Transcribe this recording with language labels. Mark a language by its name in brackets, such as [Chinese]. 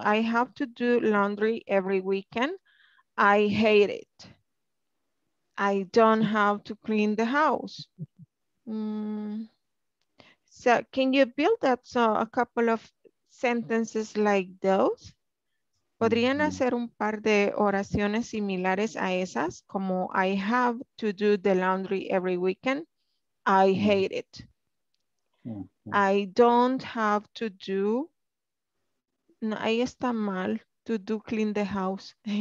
[English] I have to do laundry every weekend. I hate it. I don't have to clean the house. So can you build up so a couple of sentences like those? [Spanish] ¿Podrían hacer un par de oraciones similares a esas? [English] Como I have to do the laundry every weekend. I hate it. I don't have to do, [Spanish] no, ahí está mal, [English] to do clean the house.